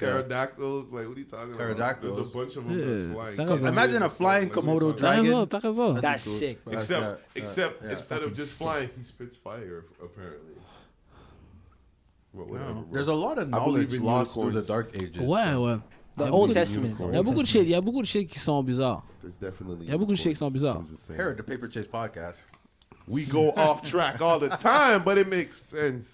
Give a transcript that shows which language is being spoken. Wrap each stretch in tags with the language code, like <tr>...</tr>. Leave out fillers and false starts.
<en>pterodactyls, like what are you talking about? Pterodactyls. There's a bunch of them that's flying. Imagine a flying Komodo dragon. That's sick, bro. Except instead of just flying, he spits fire, apparently. There's a lot of knowledge lost through the Dark Ages. Wow. The Old Testament.</en> <fr>Il y a beaucoup de shit qui sont bizarres.</fr> <en>There's definitely.</en> <fr>Il y a beaucoup de shit qui sont bizarres.</fr> <en>Here at the Paper Chase Podcast. We go off track all the time, but it makes sense.</en>